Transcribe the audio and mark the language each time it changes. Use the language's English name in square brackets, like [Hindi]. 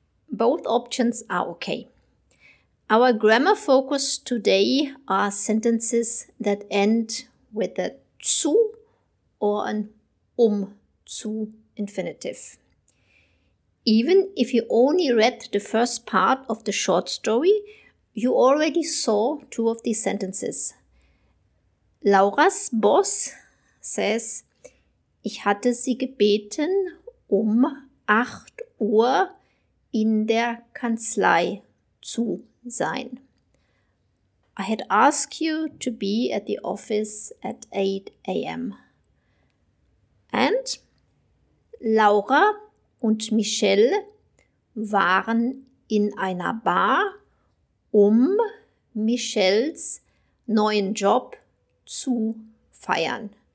[English] Both options are okay. Our grammar focus today are sentences that end with a zu or an zu infinitive. Even if you only read the first part of the short story, you already saw two of these sentences. Laura's Boss says, [German] ich hatte sie gebeten, 8 Uhr in der Kanzlei zu sein. [English] I had asked you to be at the office at 8 a.m. [German] And Laura und Michelle waren in einer Bar, Michelles neuen Job zu feiern.